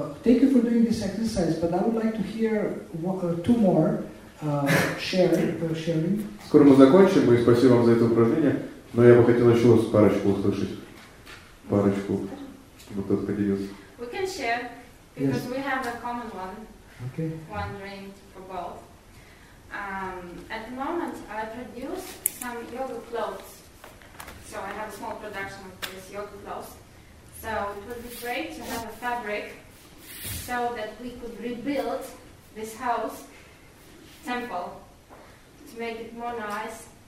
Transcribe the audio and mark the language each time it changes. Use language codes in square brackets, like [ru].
[en] Thank you for doing this exercise, but I would like to hear two more sharing. [ru] Скоро мы закончим, и спасибо вам за это упражнение, но я бы хотел еще раз парочку услышать. Парочку, чтобы кто-то поделился. [en] We can share, because yes. We have a common one. Okay. One dream for both. At the moment, I produce some yoga clothes. So I have a small production of these yoga clothes. So it would be great to have a fabric so that we could rebuild this house, temple, to make it more nice.